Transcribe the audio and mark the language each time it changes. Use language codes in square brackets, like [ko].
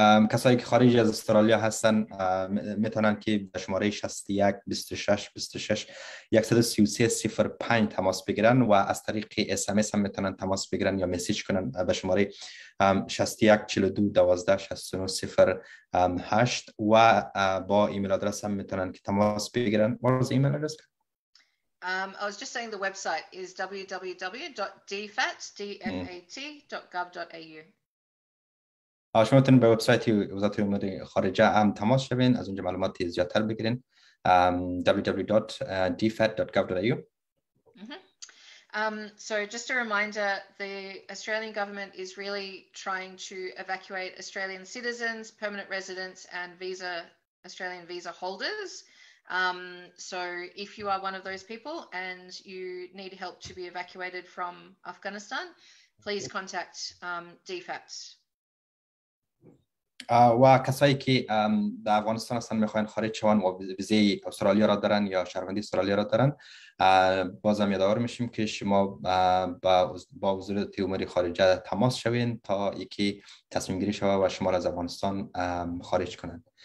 [fa] کسایی که خارج از استرالیا هستن میتونن که به شماره 61 26 26 133 05 تماس بگیرن و از طریق اس ام اس هم میتونن تماس بگیرن یا مسیج کنن به شماره 61 42 12 69 08 و با ایمیل آدرس هم میتونن که تماس بگیرن. [en] What's the email address? I was just saying the website is www.dfat.gov.au. [fa] شما میتونید به وبسایت وزارت امور خارجه هم تماس شوین، از اونجا معلومات زیادتر بگیرین. [en] www.dfat.gov.au. So just a reminder, the Australian government is really trying to evacuate Australian citizens, permanent residents and visa Australian visa holders. So if you are one of those people and you need help to be evacuated from Afghanistan, please contact DFAT. [fa] و کسایی که در افغانستان هستن میخواین خارج شون و ویزه استرالیا را دارن یا شهروندی استرالیا را دارن، بازم یادآور میشیم که شما با وزارت امور خارجه تماس شوین تا یکی تصمیم گیری شوه و شما را از افغانستان خارج کنن.